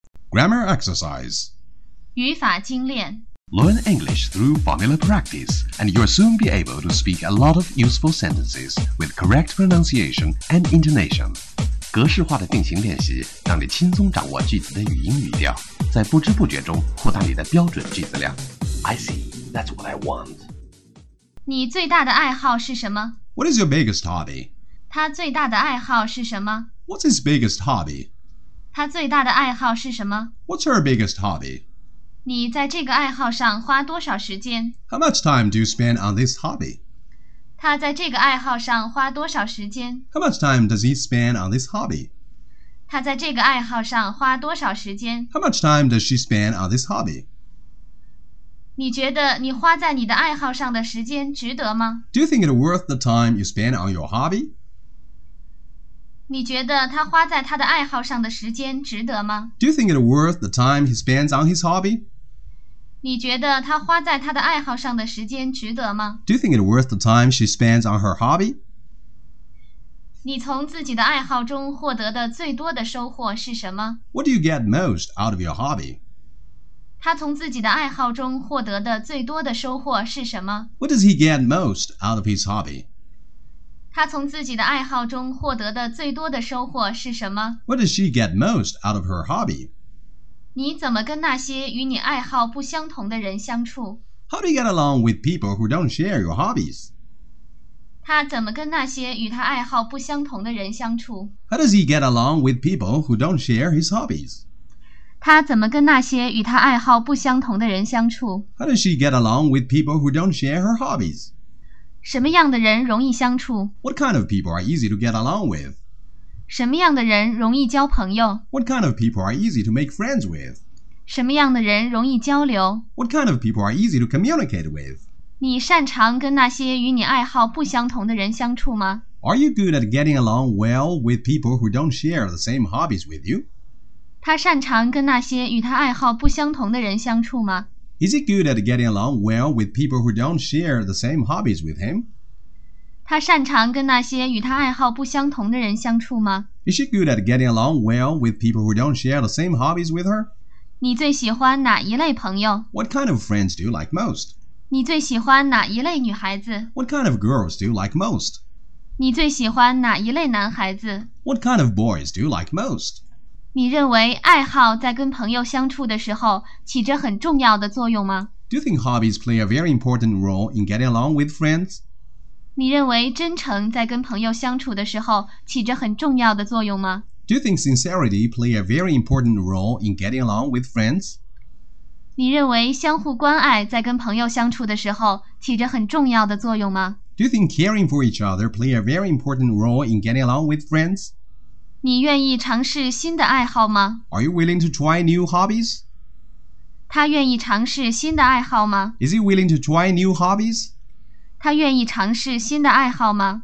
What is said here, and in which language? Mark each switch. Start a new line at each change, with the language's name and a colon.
English: Grammar exercise.
Chinese: 语法精炼。
English: Learn English through formula practice, and you'll soon be able to speak a lot of useful sentences with correct pronunciation and intonation.
Chinese: 格式化的定型练习让你轻松掌握句子的语音语调，在不知不觉中扩大你的标准句子量。
English: I see, that's what I want.
Chinese: 你最大的爱好是什么?
English: What is your biggest hobby?
Chinese: 他最大的爱好是什么?
English: What's his biggest hobby?
Chinese: 他最大的爱好是什么?
English: What's her biggest hobby?
Chinese: 你在这个爱好上花多少时间?
English: How much time do you spend on this hobby?
Chinese: 他在这个爱好上花多少时间?
English: How much time does he spend on this hobby?
Chinese: 他在这个爱好上花多少时间?
English: How much time does she spend on this hobby?
Chinese: 你觉得你花在你的爱好上的时间值得吗?
English: Do you think it's worth the time you spend on your hobby?
Chinese: 你觉得他花在他的爱好上的时间值得吗?
English: Do you think it's worth the time he spends on his hobby?
Chinese: 你觉得他花在他的爱好上的时间值得吗?
English: Do you think it's worth the time she spends on her hobby?
Chinese: 你从自己的爱好中获得的最多的收获是什么?
English: What do you get most out of your hobby?
Chinese: 他从自己的爱好中获得的最多的收获是什么?
English: What does he get most out of his hobby?
Chinese: 他从自己的爱好中获得的最多的收获是什么?
English: What does she get most out of her hobby?
Chinese: 你怎么跟那些与你爱好不相同的人相处?
English: How do you get along with people who don't share your hobbies?
Chinese: 他怎么跟那些与他爱好不相同的人相处?
English: How does he get along with people who don't share his hobbies?
Chinese: 他怎么跟那些与他爱好不相同的人相处?
English: How does she get along with people who don't share her hobbies?
Chinese: 什么样的人容易相处?
English: What kind of people are easy to get along with?
Chinese: 什么样的人容易交朋友?
English: What kind of people are easy to make friends with?
Chinese: 什么样的人容易交流?
English: What kind of people are easy to communicate with?
Chinese: 你擅长跟那些与你爱好不相同的人相处吗?
English: Are you good at getting along well with people who don't share the same hobbies with you?
Chinese: 他擅长跟那些与他爱好不相同的人相处吗？
English: Is he good at getting along well with people who don't share the same hobbies with him?
Chinese: 他擅长跟那些与他爱好不相同的人相处吗？
English: Is she good at getting along well with people who don't share the same hobbies with her?
Chinese: 你最喜欢哪一类朋友？
English: What kind of friends do you like most?
Chinese: 你最喜欢哪一类女孩子？
English: What kind of girls do you like most?
Chinese: 你最喜欢哪一类男孩子？
English: What kind of boys do you like most?
Chinese: 你认为爱好在跟朋友相处的时候起着很重要的作用吗？
English: Do you think hobbies play a very important role in getting along with friends?
Chinese: 你认为真诚在跟朋友相处的时候起着很重要的作用吗？
English: Do you think sincerity play a very important role in getting along with friends?
Chinese: 你认为相互关爱在跟朋友相处的时候起着很重要的作用吗？
English: Do you think caring for each other play a very important role in getting along with friends?
Chinese: 你愿意尝试新的爱好吗？
English: Are you willing to try new hobbies?
Chinese: 他愿意尝试新的爱好吗？
English: Is he willing to try new hobbies?
Chinese: 他愿意尝试新的爱好吗？